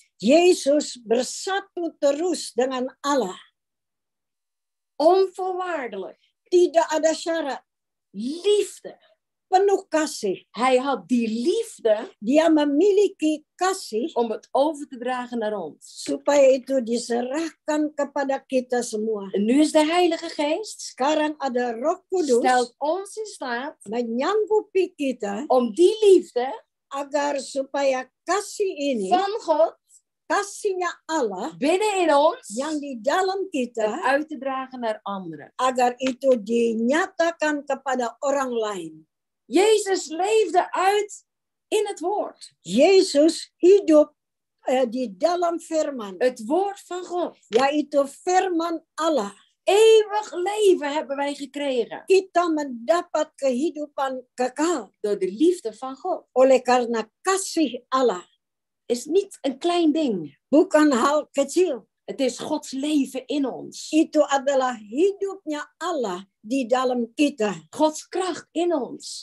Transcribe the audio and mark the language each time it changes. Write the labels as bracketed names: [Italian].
[Indonesian] Jezus bersatu terus dengan Allah. [Dutch] Onvoorwaardelijk. [Indonesian] Tidak ada syarat. [Dutch] Liefde. [Indonesian] Penuh kasih. [Dutch] Hij had die liefde. [Indonesian] Dia memiliki kasih. [Dutch] Om het over te dragen naar ons. [Indonesian] Supaya itu diserahkan kepada kita semua. [Dutch] En nu is de Heilige Geest. [Indonesian] Sekarang ada Roh Kudus. [Dutch] Stelt ons in staat. [Indonesian] Menyanggupi kita. [Dutch] Om die liefde. [Indonesian] Agar supaya kasih ini. [Dutch] Van God. [Indonesian] Kasihnya Allah. [Dutch] Binnen in ons. [Indonesian] Yang di dalam kita. [Dutch] Uit te dragen naar anderen. [Indonesian] Agar itu dinyatakan kepada orang lain. [Dutch] Jezus leefde uit in het woord. [Indonesian] Jezus hidup di dalam firman. [Dutch] Het woord van God. [Indonesian] Yaitu firman Allah. [Dutch] Eeuwig leven hebben wij gekregen. [Indonesian] Kita mendapat kehidupan kekal. [Dutch] Door de liefde van God. [Indonesian] Oleh karena kasih Allah. [Dutch] Is niet een klein ding. [Indonesian] Bukan hal kecil. [Dutch] Het is Gods leven in ons. [Indonesian] Itu adalah hidupnya Allah di dalam kita. [Dutch] Gods kracht in ons.